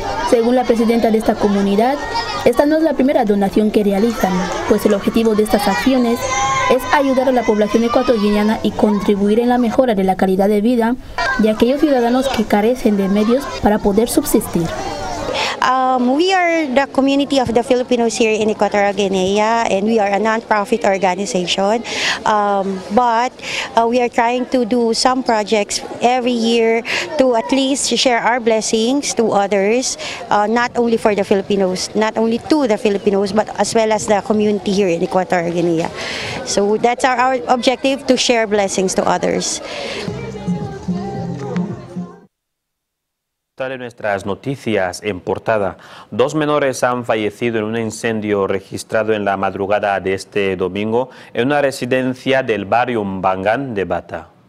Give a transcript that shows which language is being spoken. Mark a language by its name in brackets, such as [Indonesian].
[Spanish] Según la presidenta de esta comunidad, esta no es la primera donación que realizan, pues el objetivo de estas acciones es ayudar a la población ecuatoguineana y contribuir en la mejora de la calidad de vida de aquellos ciudadanos que carecen de medios para poder subsistir. [English] We are the community of the Filipinos here in Equatorial Guinea, and we are a non-profit organization. But we are trying to do some projects every year to at least share our blessings to others, not only for the Filipinos, not only to the Filipinos, but as well as the community here in Equatorial Guinea. So that's our objective, to share blessings to others. [Spanish] En nuestras noticias en portada, dos menores han fallecido en un incendio registrado en la madrugada de este domingo en una residencia del barrio Mbangan de Bata.